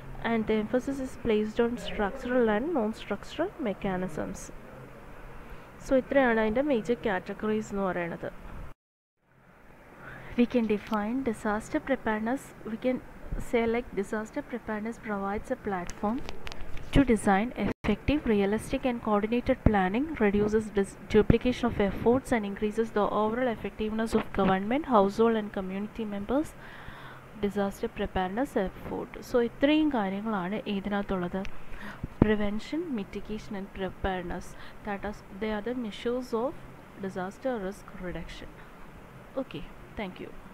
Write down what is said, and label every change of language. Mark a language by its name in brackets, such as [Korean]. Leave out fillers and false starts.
[English] and the emphasis is placed on structural and non-structural mechanisms. [Malayalam] So ഇത്രയാണ് അതിൻ്റെ major categories എന്ന് പറയുന്നത്. [English] We can define disaster preparedness. We can say like disaster preparedness provides a platform to design effective, realistic and coordinated planning, reduces duplication of efforts and increases the overall effectiveness of government, household and community members. Disaster preparedness effort. [Malayalam] So ഇത്രയും കാര്യങ്ങളാണ് ഇതിനകത്തുള്ളത്. [English] Prevention, mitigation and preparedness. That is, they are the measures of disaster risk reduction. Okay. Thank you.